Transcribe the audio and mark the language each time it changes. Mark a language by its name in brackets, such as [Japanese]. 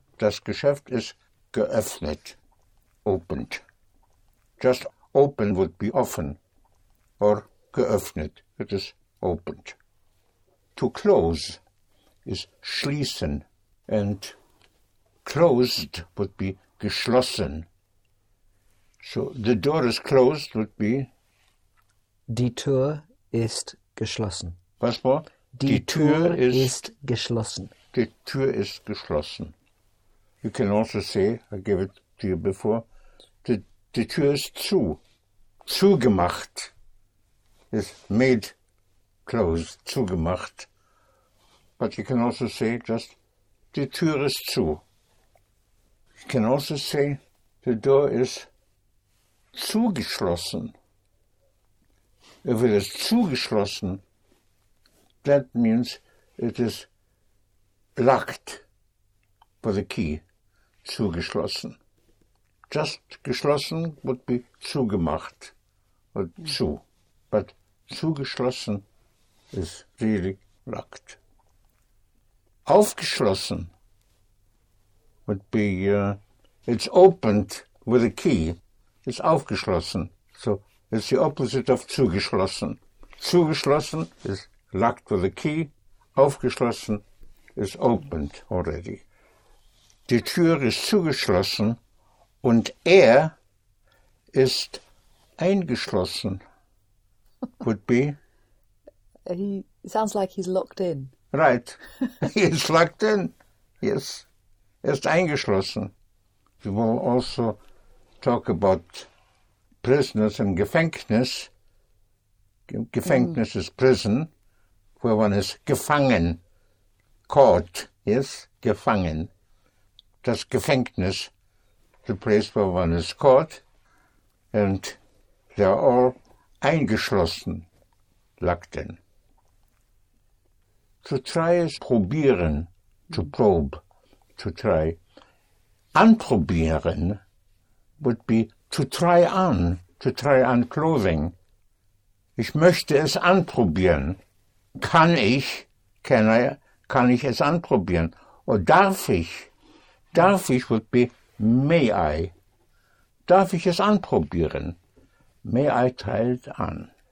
[German] Das Geschäft ist geöffnet. [English] Opened. Just open would be offen. Or geöffnet. It is opened. To close is schließen. And closed would be geschlossen. So the door is closed would be? [German] Die Tür ist geschlossen. Was war? Die Tür ist geschlossen. Die Tür ist geschlossen. [English] You can also say, I gave it to you before, [German] die Tür ist zu. [English] Zugemacht. Is made closed. Zugemacht. But you can also say just, [German] die Tür ist zu. [English] You can also say, the door is zugeschlossen. If it is zugeschlossen, that means it is locked for the key, zugeschlossen. Just geschlossen would be zugemacht or zu. But zugeschlossen is really locked. Aufgeschlossen would be, it's opened with a key. It's aufgeschlossen. So it's the opposite of zugeschlossen. Zugeschlossen is locked with a key. Aufgeschlossen is opened already. [German] Die Tür ist zugeschlossen und er ist eingeschlossen. [English] Would be? He sounds like he's locked in. Right. He is locked in. Yes. [German] Er ist eingeschlossen. [English] We will also talk about prisoners in Gefängnis. Gefängnis is prison. Where one is gefangen, caught, yes, gefangen. Das Gefängnis, the place where one is caught, and they are all eingeschlossen, locked in. To try is probieren, to probe, to try. Anprobieren would be to try on clothing. [German] Ich möchte es anprobieren. Kann ich es anprobieren? [English] Or [German] darf ich? Darf ich [English] would be, may I? [German] Darf ich es anprobieren? [English] May I try it on?